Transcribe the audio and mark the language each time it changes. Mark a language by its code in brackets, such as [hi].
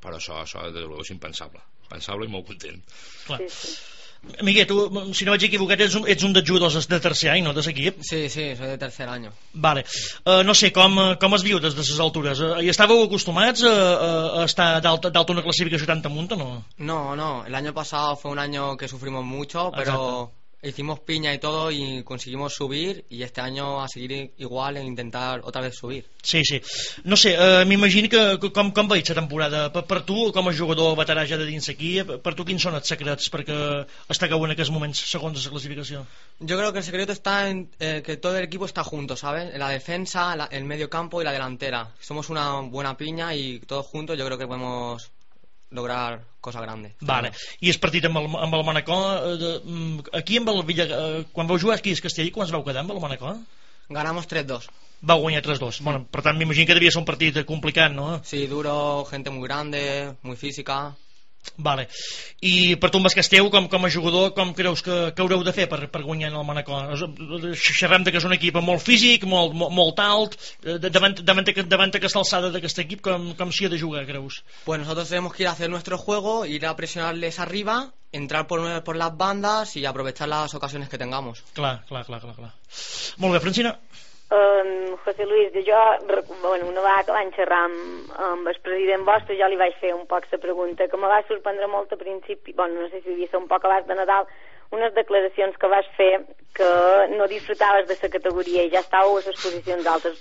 [ca] Però això és impensable. Pensable i molt content. Clar. Sí, sí. Miguel, tu, si no vaig equivocat, ets un dels jugadors de tercer any, no, de l'equip? [es] Sí, soy de [ca] tercer any. Vale. No sé, com es viu des de les altures? Hi estàveu acostumats a estar dalt una classificació tant amunt o no? [es] No, el año pasado fue un año que sufrimos mucho, pero... [ca] Exacte. [es] Hicimos piña y todo y conseguimos subir, y este año a seguir igual e intentar otra vez subir. [ca] Sí. No sé, m'imagino que com veig la temporada per tu, com a jugador veterà ja de dins aquí, per tu quins són els secrets perquè està cau en aquests moments segons la classificació? [es] Yo creo que el secreto está en que todo el equipo está junto, ¿sabes? La defensa, el medio campo y la delantera. Somos una buena piña y todos juntos yo creo que podemos lograr cosa grande. [ca] Vale. I el partit amb el Manacor, aquí amb el Villa, quan vau jugar aquí a Castellí, quan es vau quedar amb el Manacor? [es] Ganamos 3-2. [ca] Vau guanyar 3-2. Sí. Bueno, per tant, m'imagino que devia ser un partit complicat, no? [es] Sí, duro, gente muy grande, muy física. [ca] Vale. I per tu, amb el Castell, com a jugador, com creus que haureu de fer per guanyar en el Manacor? Xerrem que és un equip molt físic, molt alt, davant d'aquesta alçada d'aquest equip, com s'hi ha de jugar, creus? [es] Pues nosotros tenemos que ir a hacer nuestro juego, ir a presionarles arriba, entrar por las bandas y aprovechar las ocasiones que tengamos. [ca] Clar. Molt bé, Francina. José Luis, jo, bueno, una vegada que vam xerrar amb el president vostre, jo li vaig fer un poc la pregunta, que me va sorprendre molt al principi, bueno, no sé si havia estat un poc abans de Nadal, unes declaracions que vas fer que no disfrutaves de la categoria i ja estàveu a les posicions altres.